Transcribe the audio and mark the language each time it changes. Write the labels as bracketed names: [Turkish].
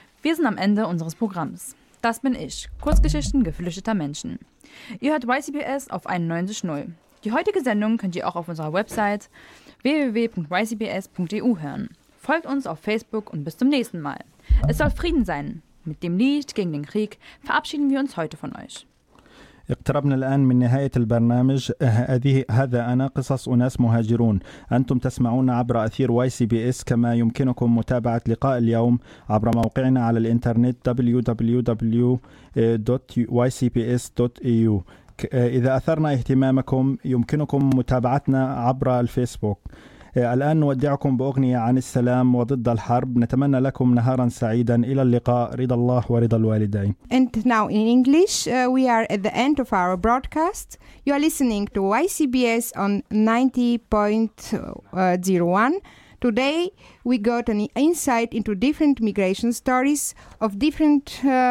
[German] Wir sind am Ende unseres Programms. Das bin ich, Kurzgeschichten geflüchteter Menschen. Ihr hört YCBS auf 91.0. Die heutige Sendung könnt ihr auch auf unserer Website www.ycbs.eu hören. Folgt uns auf Facebook und bis zum nächsten Mal. Es soll Frieden sein. Mit dem Lied gegen den Krieg verabschieden wir uns heute von euch. [Arabic] اقتربنا الآن من نهاية البرنامج هذا أنا قصص أناس مهاجرون أنتم تسمعون عبر أثير YCBS كما يمكنكم متابعة لقاء اليوم عبر موقعنا على الإنترنت www.ycbs.eu إذا أثرنا اهتمامكم يمكنكم متابعتنا عبر الفيسبوك الآن نودعكم بأغنية عن السلام وضد الحرب نتمنى لكم نهارا سعيدا إلى اللقاء رضا الله ورضا الوالدين [English] And now in English we are at the end of our broadcast You are listening to YCBS on 90.01 Today we got an insight into different migration stories of different